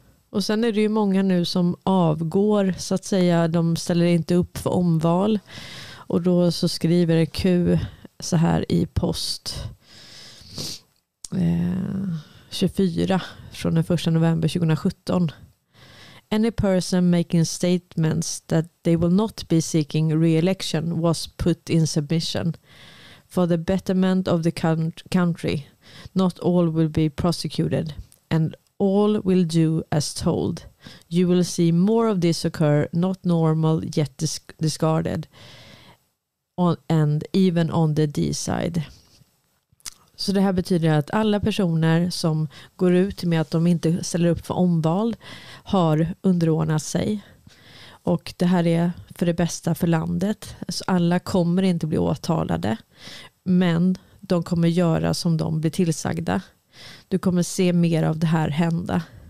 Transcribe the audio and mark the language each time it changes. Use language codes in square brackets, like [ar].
[sv] Och sen är det ju många nu som avgår, så att säga. De ställer inte upp för omval. Och då så skriver Q så här i post 24 från den 1 november 2017. [en] Any person making statements that they will not be seeking re-election was put in submission. For the betterment of the country, not all will be prosecuted, and all will do as told. You will see more of this occur, not normal, yet discarded, and even on the D side. [sv] Så det här betyder att alla personer som går ut med att de inte ställer upp för omval har underordnat sig. Och det här är för det bästa för landet. Så alla kommer inte bli åtalade. Men de kommer göra som de blir tillsagda. Du kommer se mer av det här hända.